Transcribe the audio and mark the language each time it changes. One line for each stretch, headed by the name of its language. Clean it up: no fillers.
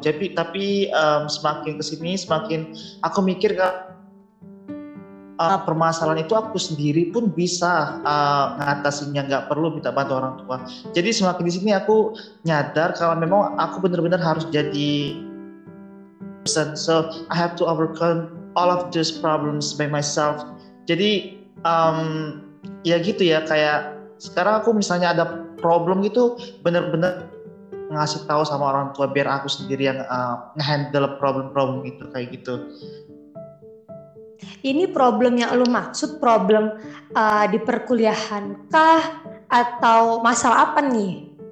Indonesian: Tapi semakin kesini, semakin aku mikir permasalahan itu aku sendiri pun bisa ngatasinya, nggak perlu minta bantu orang tua. Jadi semakin di sini aku nyadar kalau memang aku benar-benar harus jadi
English: person, so I have to overcome all of those problems by myself.
Indonesian: Jadi ya gitu ya, kayak sekarang aku misalnya ada problem gitu, benar-benar ngasih tahu sama orang tua biar aku sendiri yang nge-handle problem-problem itu, kayak gitu. Ini problem yang lu maksud, problem di perkuliahan kah atau masalah apa nih?